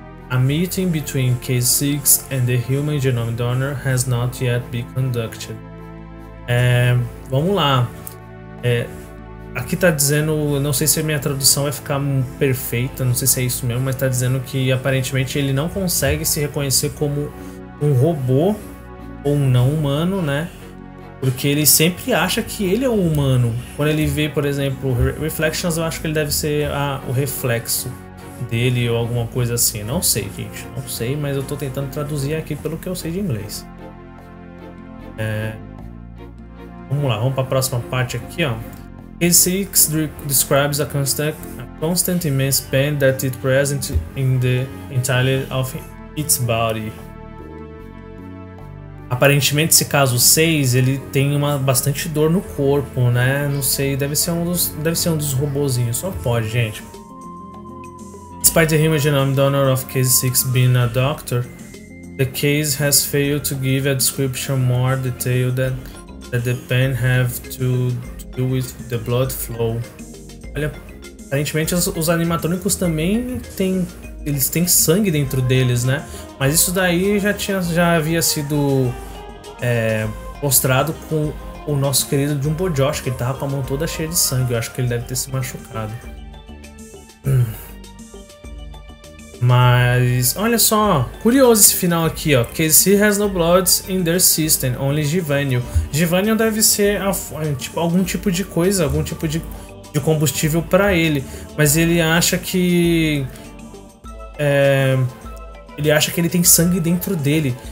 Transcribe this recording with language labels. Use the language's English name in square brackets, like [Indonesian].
[English] A meeting between Case 6 and the human genome donor has not yet been conducted. [Portuguese] Vamos lá. Aqui tá dizendo, não sei se a minha tradução vai ficar perfeita, não sei se é isso mesmo, mas tá dizendo que aparentemente ele não consegue se reconhecer como um robô ou um não humano, né? Porque ele sempre acha que ele é um humano. Quando ele vê, por exemplo, Reflections, eu acho que ele deve ser o reflexo dele ou alguma coisa assim. Não sei, gente. Não sei, mas eu tô tentando traduzir aqui pelo que eu sei de inglês. Vamos lá, vamos para a próxima parte aqui, ó. [English] K6 describes a constant immense pain that is present in the entirety of its body. [Portuguese] Aparentemente, esse caso 6, ele tem uma bastante dor no corpo, né? Não sei, deve ser um dos robozinhos. Só pode, gente. [English] Despite the human genome donor of case 6 being a doctor, the case has failed to give a description more detailed that the pain have to do with the blood flow. [Portuguese] Olha, aparentemente os animatrônicos também têm sangue dentro deles, né? Mas isso daí já havia sido mostrado com o nosso querido Jumbo Josh, que ele tava com a mão toda cheia de sangue. Eu acho que ele deve ter se machucado. Mas, olha só, curioso esse final aqui, ó. [English] KC has no bloods in their system, only Givanium. [Portuguese] Givanium deve ser tipo, algum tipo de coisa, algum tipo de combustível pra ele. Mas ele acha que... ele acha que ele tem sangue dentro dele.